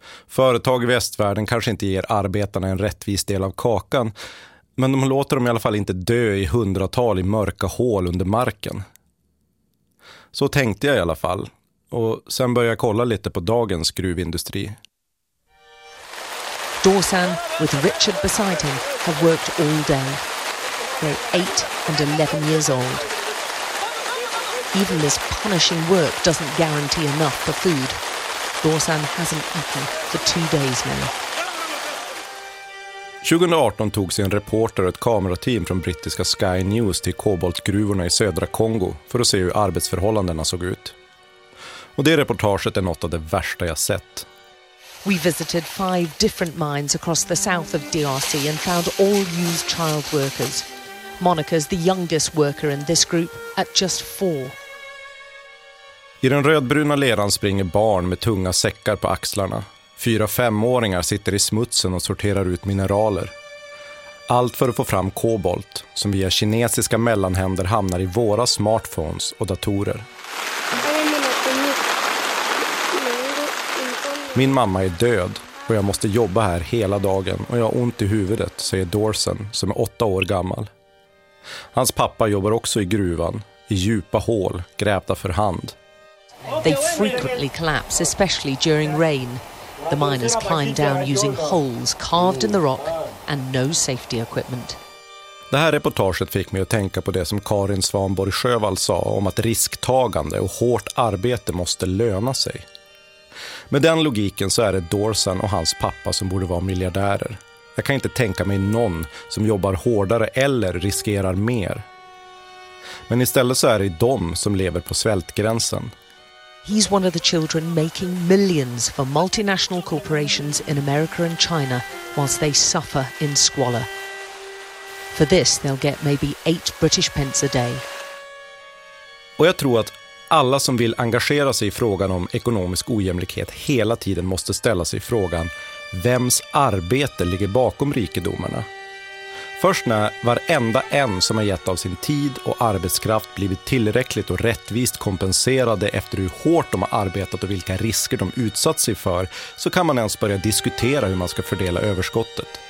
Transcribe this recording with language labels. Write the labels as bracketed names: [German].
[Swedish] Företag i västvärlden kanske inte ger arbetarna en rättvis del av kakan, men de låter dem i alla fall inte dö i hundratal i mörka hål under marken. Så tänkte jag i alla fall, och sen började jag kolla lite på dagens gruvindustri. [English] Dorsan, with Richard beside him, have worked all day. They're 8 and 11 years old. Even this punishing work doesn't guarantee enough for food. Dorsan hasn't eaten for 2 days now. [Swedish] 2018 tog sig en reporter och ett kamerateam från brittiska Sky News till koboltgruvorna i södra Kongo för att se hur arbetsförhållandena såg ut. Och det reportaget är något av det värsta jag sett. [English] We visited 5 different mines across the south of DRC and found all used child workers. Monica's the youngest worker in this group at just 4. [Swedish] I den rödbruna leran springer barn med tunga säckar på axlarna. 4-5-åringar sitter i smutsen och sorterar ut mineraler. Allt för att få fram kobolt som via kinesiska mellanhänder hamnar i våra smartphones och datorer. Min mamma är död och jag måste jobba här hela dagen och jag har ont i huvudet, säger Dorsan som är 8 år gammal. Hans pappa jobbar också i gruvan, i djupa hål, grävda för hand. [English] They frequently collapse, especially during rain. The miners climb down using holes carved in the rock and no safety equipment. [Swedish] Det här reportaget fick mig att tänka på det som Karin Svanborg Sjövall sa om att risktagande och hårt arbete måste löna sig. Med den logiken så är det Dorsan och hans pappa som borde vara miljardärer. Jag kan inte tänka mig någon som jobbar hårdare eller riskerar mer. Men istället så är det de som lever på svältgränsen. [English] He's one of the children making millions for multinational corporations in America and China whilst they suffer in squalor. For this they'll get maybe 8 British pence a day. [Swedish] Och jag tror att alla som vill engagera sig i frågan om ekonomisk ojämlikhet hela tiden måste ställa sig frågan: vems arbete ligger bakom rikedomarna? Först när varenda en som har gett av sin tid och arbetskraft blivit tillräckligt och rättvist kompenserade efter hur hårt de har arbetat och vilka risker de utsatt sig för, så kan man ens börja diskutera hur man ska fördela överskottet.